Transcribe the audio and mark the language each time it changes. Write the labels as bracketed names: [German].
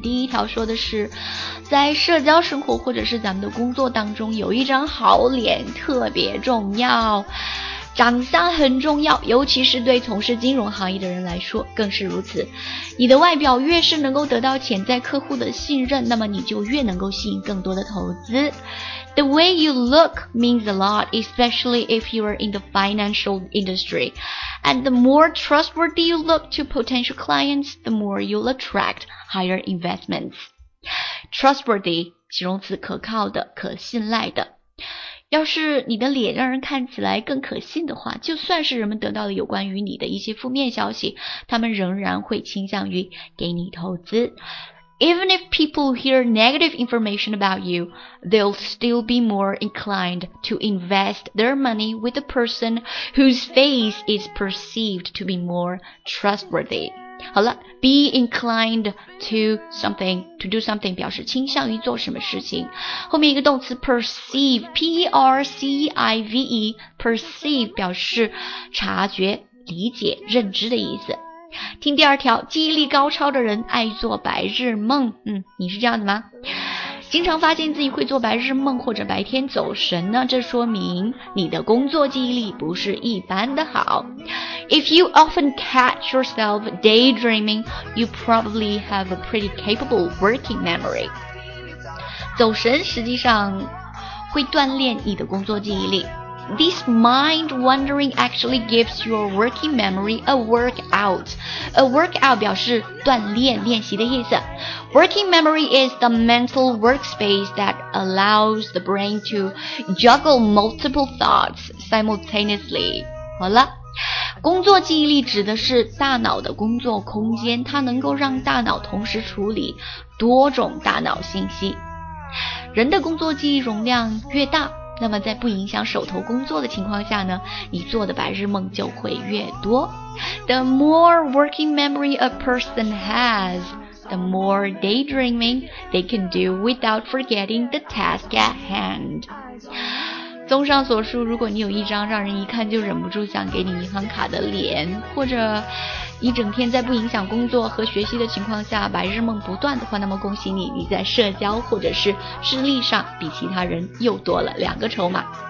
[Chinese] 第一条说的是，在社交生活或者是咱们的工作当中，有一张好脸特别重要，长相很重要，尤其是对从事金融行业的人来说更是如此。你的外表越是能够得到潜在客户的信任，那么你就越能够吸引更多的投资。 [English] The way you look means a lot, especially if you are in the financial industry. And the more trustworthy you look to potential clients, the more you'll attract higher investments. [Chinese] Trustworthy, 形容词，可靠的，可信赖的。要是你的脸让人看起来更可信的话，就算是人们得到了有关于你的一些负面消息，他们仍然会倾向于给你投资。 [English] Even if people hear negative information about you, they'll still be more inclined to invest their money with a person whose face is perceived to be more trustworthy. [Chinese] 好了 , [English] be inclined to something, to do something [Chinese] 表示倾向于做什么事情。后面一个动词 perceive, P-E-R-C-I-V-E, perceive 表示察觉、理解、认知的意思。听第二条，记忆力高超的人爱做白日梦。你是这样的吗？经常发现自己会做白日梦或者白天走神呢，这说明你的工作记忆力不是一般的好。 [English] If you often catch yourself daydreaming, you probably have a pretty capable working memory. [Chinese] 走神实际上会锻炼你的工作记忆力。 [English] This mind wandering actually gives your working memory a workout. [Chinese] A workout 表示锻炼、练习的意思。 [English] Working memory is the mental workspace that allows the brain to juggle multiple thoughts simultaneously. [Chinese] 好了，工作记忆力指的是大脑的工作空间，它能够让大脑同时处理多种大脑信息。人的工作记忆容量越大，那么在不影响手头工作的情况下呢，你做的白日梦就会越多。 [English] The more working memory a person has, the more daydreaming they can do without forgetting the task at hand. 综上所述，如果你有一张让人一看就忍不住想给你银行卡的脸，或者一整天在不影响工作和学习的情况下白日梦不断的话，那么恭喜你，你在社交或者是智力上比其他人又多了两个筹码。